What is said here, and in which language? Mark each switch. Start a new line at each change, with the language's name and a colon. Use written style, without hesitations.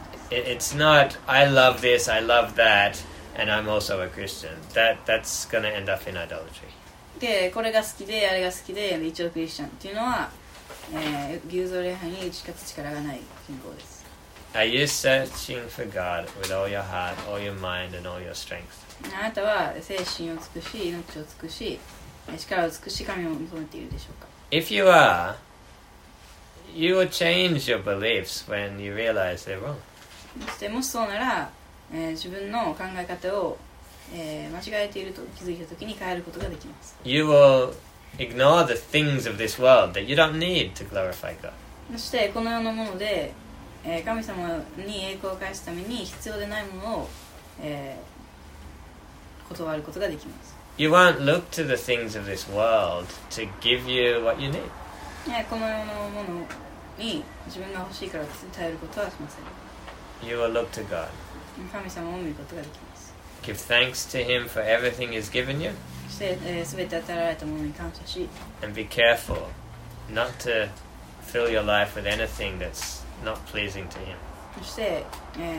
English: It's not, I love this, I love that, and I'm also a Christian. That's going to end up in idolatry.
Japanese: でこれが好きであれが好きで一応クリスチャンっていうのは、偶像礼拝に打ち勝つ力がない信仰です。
English: Are you searching for God with all your heart, all your mind, and all your strength?
Japanese: あなたは精神を尽くし、命を尽くし、力を尽くし神を求めているでしょうか。
English: If you are, you will change your beliefs when you realize they're wrong.
Japanese: そしてもしそうなら、自分の考え方を間違えていると気づいたときに変えることができます。
English: You will ignore the things of this world that you don't need to glorify God.
Japanese: そしてこの世のもので、神様に栄光を返すために必要でないものを、断ることができます。
English: You won't look to the things of this world to give you what you need.
Japanese: この世のものに自分が欲しいから頼ることはしません。
English: You will look to God.
Japanese: 神様を見ることができます。
English: Give thanks to Him for everything He's given you. And be careful not to fill your life with anything that's not pleasing to Him.